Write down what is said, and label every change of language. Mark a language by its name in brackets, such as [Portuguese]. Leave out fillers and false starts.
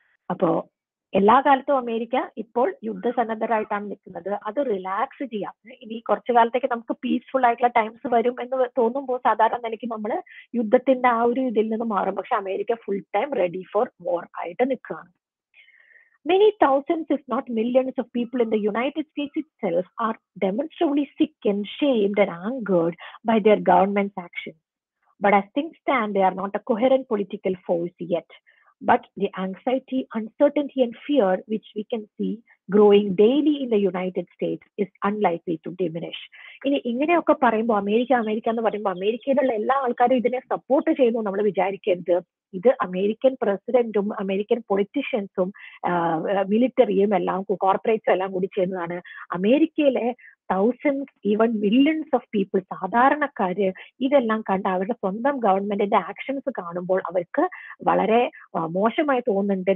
[Malayalam] അപ്പോ എല്ലാ കാലത്തും അമേരിക്ക ഇപ്പോൾ യുദ്ധസന്നദ്ധരായിട്ടാണ് നിൽക്കുന്നത്. അത് റിലാക്സ് ചെയ്യാം. ഇനി കുറച്ചു കാലത്തേക്ക് നമുക്ക് പീസ്ഫുൾ ആയിട്ടുള്ള ടൈംസ് വരും എന്ന് തോന്നുമ്പോൾ സാധാരണ നിലയ്ക്ക് നമ്മൾ യുദ്ധത്തിന്റെ ആ ഒരു ഇതിൽ നിന്ന് മാറും. പക്ഷെ America [English] full time ready for war [Malayalam] ആയിട്ട് നിൽക്കുകയാണ്. [English] many thousands, if not millions of people in the United States itself are demonstrably sick and shamed and angered by their government's actions. But as things stand, they are not a coherent political force yet. But the anxiety, uncertainty, and fear, which we can see growing daily in the United States, is unlikely to diminish. [Malayalam] ഇനി ഇങ്ങനെയൊക്കെ പറയുമ്പോൾ America America എന്ന് പറയുമ്പോൾ അമേരിക്കയിലുള്ള എല്ലാ ആൾക്കാരും ഇതിനെ support ചെയ്യുന്നു നമ്മൾ വിചാരിക്കരുത്. ഇത് അമേരിക്കൻ പ്രസിഡന്റും അമേരിക്കൻ പൊളിറ്റീഷ്യൻസും മിലിറ്ററിയും എല്ലാം കോർപ്പറേറ്റ്സും എല്ലാം കൂടി ചെയ്യുന്നതാണ്. അമേരിക്കയിലെ [English] thousands even millions of people, [Malayalam] സാധാരണക്കാര്, ഇതെല്ലാം കണ്ട് അവരുടെ സ്വന്തം ഗവൺമെന്റിന്റെ ആക്ഷൻസ് കാണുമ്പോൾ അവർക്ക് വളരെ മോശമായി തോന്നുന്നുണ്ട്.